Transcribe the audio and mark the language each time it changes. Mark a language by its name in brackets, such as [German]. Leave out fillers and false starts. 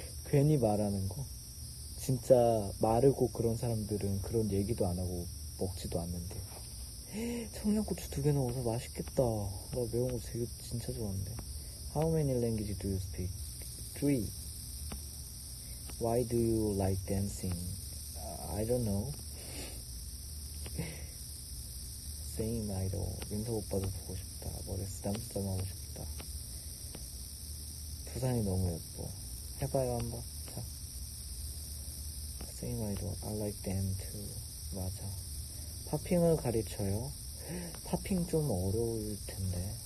[Korean] 괜히 말하는 거. 진짜 마르고 그런 사람들은 그런 얘기도 안 하고 먹지도 않는데. 청양고추 두개 넣어서 맛있겠다. 나 매운 거 되게 진짜 좋아하는데. [English] How many languages do you speak? Three. Why do you like dancing? I don't know. [Korean] 세인 아이돌 윤석 오빠도 보고 싶다. 머리 쓰담쓰담 하고 싶다. 부산이 너무 예뻐. 해봐요 한번. 자. [English] Same idol, I like them too. [Korean] 맞아. 팝핑을 가르쳐요? 팝핑 좀 어려울 텐데.